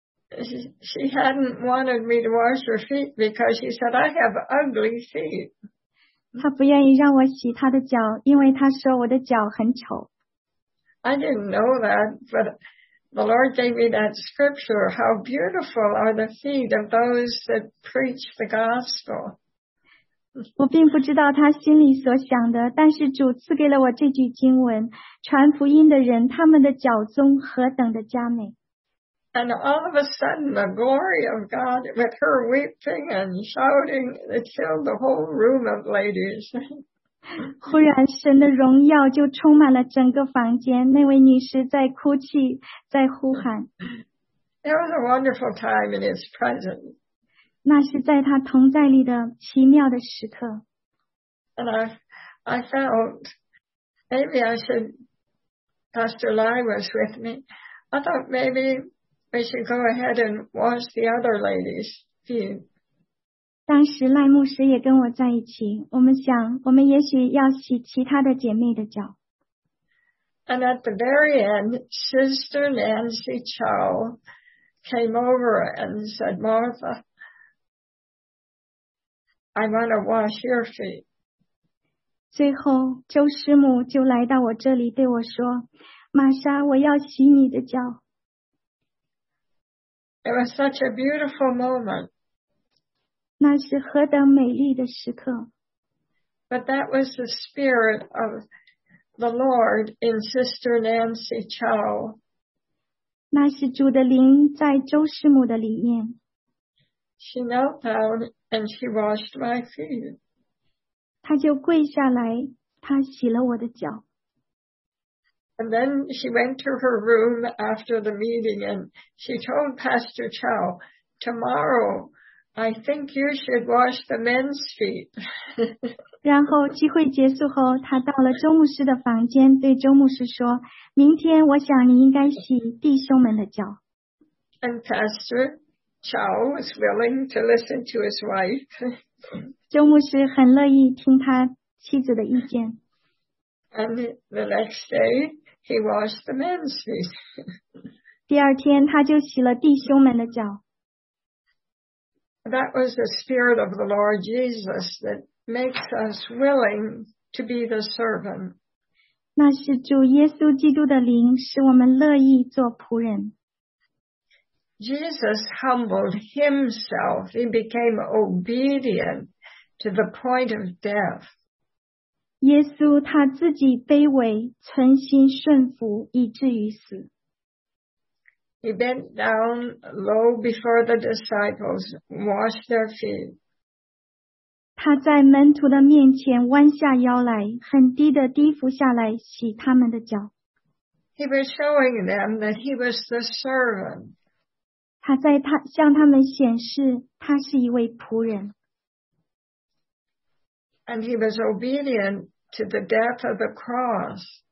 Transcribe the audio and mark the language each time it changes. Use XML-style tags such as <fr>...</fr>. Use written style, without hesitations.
<en>She hadn't wanted me to wash her feet because she said, "I have ugly feet."</en> <zh>她不愿意让我洗她的脚，因为她说我的脚很丑。</zh> <en>I didn't know that, but the Lord gave me that scripture, "How beautiful are the feet of those that preach the gospel."</en> <zh>我并不知道他心里所想的，但是主赐给了我这句经文，传福音的人，他们的脚中何等的佳美。</zh> <en>And all of a sudden, the glory of God with her weeping and shouting, it filled the whole room of ladies.</en> <zh>忽然神的荣耀就充满了整个房间，那位女士在哭泣，在呼喊。</zh> <en>It was a wonderful time in his presence.</en> <zh>那是在他同在里的奇妙的时刻。</zh> <en>And I felt, maybe I should, Pastor Lai was with me. I thought maybe we should go ahead and wash the other lady's feet.</en> <zh>当时赖牧师也跟我在一起，我们想我们也许要洗其他的姐妹的脚。</zh> <en>And at the very end, Sister Nancy Chow came over and said, "Martha, I want to wash your feet."</en> <zh>最后，周师母就来到我这里对我说，玛莎，我要洗你的脚。</zh> <en>It was such a beautiful moment.</en> <zh>那是何等美丽的时刻。</zh> <en>But that was the spirit of the Lord in Sister Nancy Chow.</en> <zh>那是主的灵在周师母的里面。</zh> <en>She knelt down and she washed my feet.</en> <zh>她就跪下来，她洗了我的脚。</zh> <en>And then she went to her room after the meeting and she told Pastor Chow, "Tomorrow, I think you should wash the men's feet."</en> <zh>然后聚会结束后，她到了周牧师的房间，对周牧师说，明天我想你应该洗弟兄们的脚。</zh> <en>And Pastor Chow was willing to listen to his wife.</en> <zh>周牧师很乐意听他妻子的意见。</zh> <en>And the next day, he washed the men's feet.</en> <zh>第二天，他就洗了弟兄们的脚。</zh> <en>That was the spirit of the Lord Jesus that makes us willing to be the servant.</en> <zh>那是主耶稣基督的灵，使我们乐意做仆人。</zh> <en>Jesus humbled himself. He became obedient to the point of death.</en> <zh>耶稣他自己卑微，存心顺服，以至于死。</zh> <en>He bent down low before the disciples, washed their feet.</en> <zh>他在门徒的面前弯下腰来，很低的低伏下来，洗他们的脚。</zh> <en>He was showing them that he was the servant.</en> <zh>他在他向他们显示，他是一位仆人。</zh> <en>And he was obedient to the death of the cross.</en>